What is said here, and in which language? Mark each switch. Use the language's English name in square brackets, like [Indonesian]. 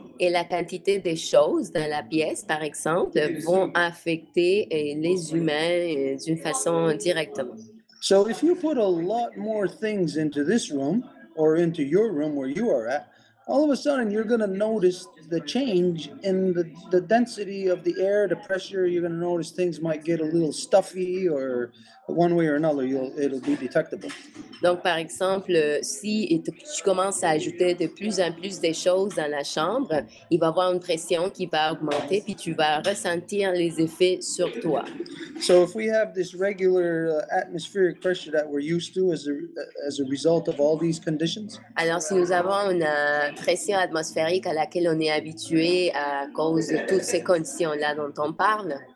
[French] Et la quantité des choses dans la pièce, par exemple, vont affecter les humains d'une façon directement. [English] So if you put a lot more things into this room or into your room where you are at, all of a sudden you're going to notice the change in the density of the air, the pressure. You're going to notice things might get a little stuffy, or one way or another it'll be detectable. [French] Donc par exemple, si tu commences à ajouter de plus en plus des choses dans la chambre, il va y avoir une pression qui va augmenter, puis tu vas ressentir les effets sur toi. [English] So if we have this regular atmospheric pressure that we're used to as a result of all these conditions, [French] alors si nous avons une pression atmosphérique à laquelle on est habitué à cause de toutes ces conditions-là dont on parle.